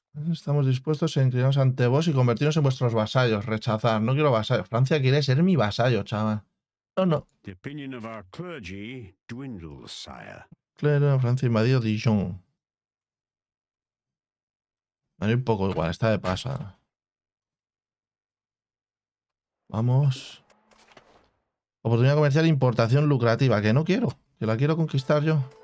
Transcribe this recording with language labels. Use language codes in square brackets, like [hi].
[es] Estamos dispuestos a inclinarnos ante vos y convertirnos en vuestros vasallos. Rechazar. No quiero vasallos. Francia quiere ser mi vasallo, chaval. No, no. [en] The opinion of our clergy dwindles, sire. [es] Claro, Francia invadió Dijon. Me da un poco igual, está de paso. Vamos. Oportunidad comercial e importación lucrativa, que no quiero. Que la quiero conquistar yo.